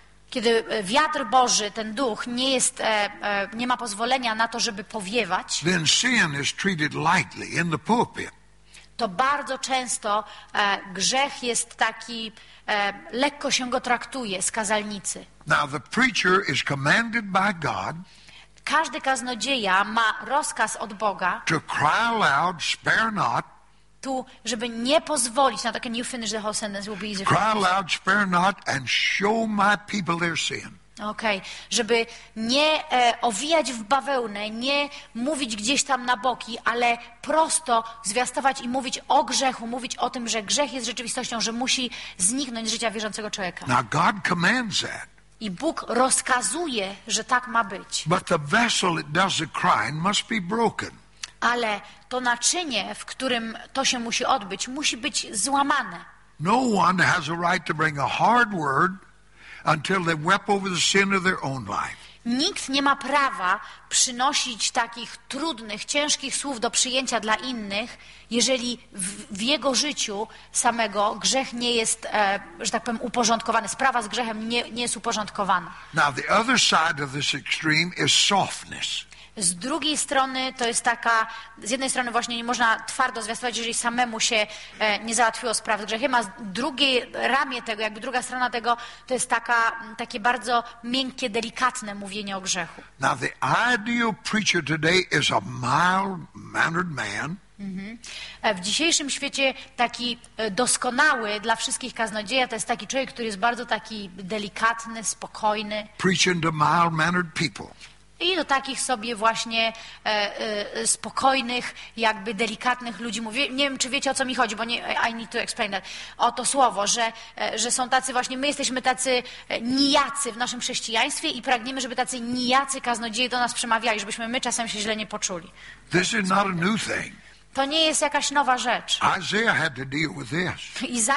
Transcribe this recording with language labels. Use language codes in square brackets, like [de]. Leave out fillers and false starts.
[pl] kiedy wiatr Boży, ten duch, nie ma pozwolenia na to, żeby powiewać, [en] then sin is treated lightly in the pulpit. [pl] To bardzo często grzech jest taki, lekko się go traktuje z kazalnicy. [en] Now the preacher is commanded by God. [pl] Każdy kaznodzieja ma rozkaz od Boga. [en] To cry aloud, spare not. [pl] Tu, żeby nie pozwolić na takie, [en] can you finish the whole sentence, will be easier. Cry aloud, spare not, and show my people their sin. Okay. [pl] Żeby nie owijać w bawełnę, nie mówić gdzieś tam na boki, ale prosto zwiastować i mówić o grzechu, mówić o tym, że grzech jest rzeczywistością, że musi zniknąć z życia wierzącego człowieka. [en] Now God commands that. [pl] I Bóg rozkazuje, że tak ma być. [en] But the vessel that does the crying must be broken. [pl] Ale to naczynie, w którym to się musi odbyć, musi być złamane. [en] No one has a right to bring a hard word until they wept over the sin of their own life. [pl] Nikt nie ma prawa przynosić takich trudnych, ciężkich słów do przyjęcia dla innych, jeżeli w jego życiu samego grzech nie jest, że tak powiem, uporządkowany. Sprawa z grzechem nie jest uporządkowana. [en] Now the other side of this extreme is softness. [pl] Z drugiej strony to jest taka, z jednej strony właśnie nie można twardo zwiastować, jeżeli samemu się nie załatwiło spraw z grzechem, a z drugiej ramię tego, jakby druga strona tego, to jest takie bardzo miękkie, delikatne mówienie o grzechu. [en] Now the ideal preacher today is a mild-mannered man. [pl] W dzisiejszym świecie taki doskonały dla wszystkich kaznodzieja to jest taki człowiek, który jest bardzo taki delikatny, spokojny. [en] Preaching to mild-mannered people. [pl] I do takich sobie właśnie spokojnych, jakby delikatnych ludzi mówię. Nie wiem, czy wiecie, o co mi chodzi, bo nie, [en] I need to explain that. [pl] O to słowo, że są tacy właśnie, my jesteśmy tacy nijacy w naszym chrześcijaństwie i pragniemy, żeby tacy nijacy kaznodzieje do nas przemawiali, żebyśmy my czasem się źle nie poczuli. [en] This is not a new thing. [pl] To nie jest jakaś nowa rzecz. [en] Isaiah had to deal with this.